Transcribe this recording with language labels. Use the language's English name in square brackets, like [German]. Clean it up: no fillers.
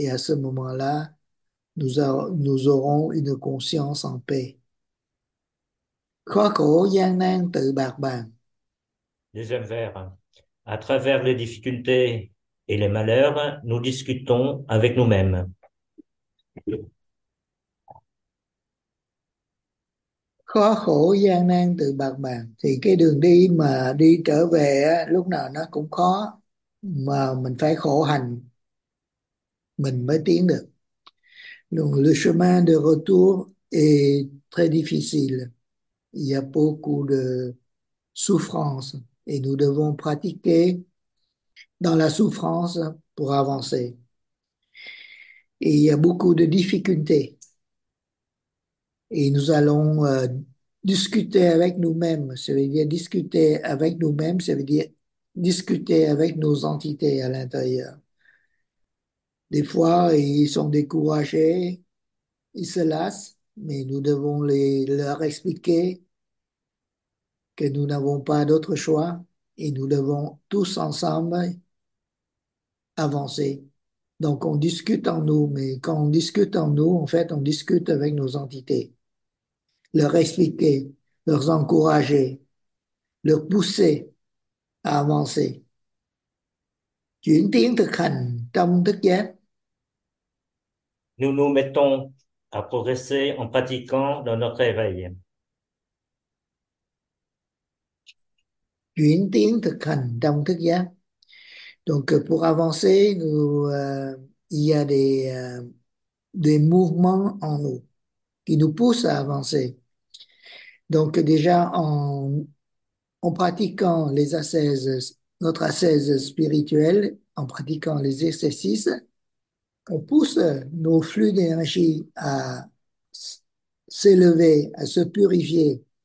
[French] Et à ce moment-là, nous aurons une conscience en paix. Deuxième vers. À travers les difficultés et les malheurs, nous discutons avec nous-mêmes. [Vietnamese] Khó khổ gian nan tự bạc bàn thì cái đường đi mà đi trở về á, lúc nào nó cũng khó mà mình phải khổ hành mình mới tiến được. [French] Donc le chemin de retour est très difficile. Il y a beaucoup de souffrance et nous devons pratiquer dans la souffrance pour avancer. Et il y a beaucoup de difficultés. Et nous allons discuter avec nous-mêmes. Ça veut dire discuter avec nous-mêmes, ça veut dire discuter avec nos entités à l'intérieur. Des fois, ils sont découragés, ils se lassent, mais nous devons leur expliquer que nous n'avons pas d'autre choix et nous devons tous ensemble avancer. Donc, on discute en nous, mais quand on discute en nous, en fait, on discute avec nos entités. Leur expliquer, leur encourager, leur pousser à avancer. [Vietnamese] Chuyển tiến thực hành trong thức giác. [French] Nous nous mettons à progresser en pratiquant dans notre éveil. [Vietnamese] Chuyển tiến thực hành trong thức giác. [French] Donc pour avancer, il y a des mouvements en nous qui nous poussent à avancer. Donc déjà en pratiquant les ascèses, notre ascèse spirituelle, en pratiquant les exercices, on pousse nos flux d'énergie à s'élever, à se purifier.